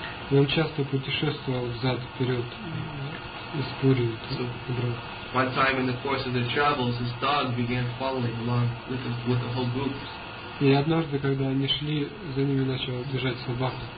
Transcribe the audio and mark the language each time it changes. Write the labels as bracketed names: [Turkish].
[Russian] И он часто путешествовал взад-вперед из Пури. [English] One time in the course of their travels, his dog began following along with the whole group. [Russian] И однажды, когда они шли, за ними начал бежать собака.